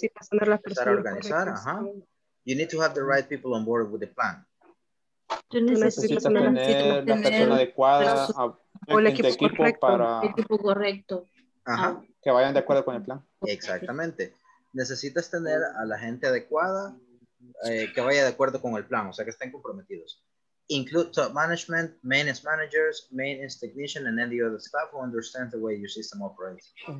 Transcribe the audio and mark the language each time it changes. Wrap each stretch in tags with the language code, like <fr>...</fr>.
<en>You need to have the right people on board with the plan.</en> <es>Tú necesitas tener la persona adecuada o el equipo correcto. Ajá. Que vayan de acuerdo con el plan. Exactamente. Necesitas tener a la gente adecuada que vaya de acuerdo con el plan, o sea, que estén comprometidos.</es> <en>Include top management, maintenance managers, maintenance technician, and any other staff who understands the way your system operates.</en>